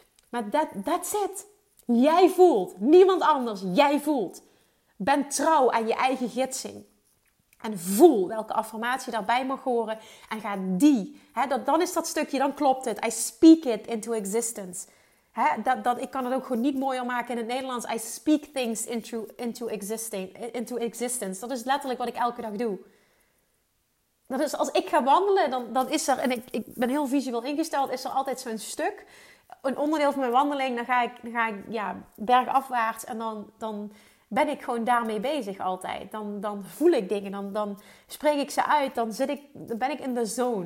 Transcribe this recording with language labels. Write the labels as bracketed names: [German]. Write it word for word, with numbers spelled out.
[Dutch] Maar [English] that, that's it. [Dutch] Jij voelt. Niemand anders. Jij voelt. Ben trouw aan je eigen gidsing. En voel welke affirmatie daarbij mag horen. En ga die. Hè, dat, dan is dat stukje, dan klopt het. [English] I speak it into existence. [Dutch] Hè, dat, dat, ik kan het ook gewoon niet mooier maken in het Nederlands. [English] I speak things into, into, existing, into existence. [Dutch] Dat is letterlijk wat ik elke dag doe. Dat is, als ik ga wandelen, dan, dan is er... En ik, ik ben heel visueel ingesteld. Is er altijd zo'n stuk... Een onderdeel van mijn wandeling, dan ga ik, dan ga ik ja, bergafwaarts en dan, dan ben ik gewoon daarmee bezig altijd. Dan, dan voel ik dingen, dan, dan spreek ik ze uit, dan, zit ik, dan ben ik in de zone.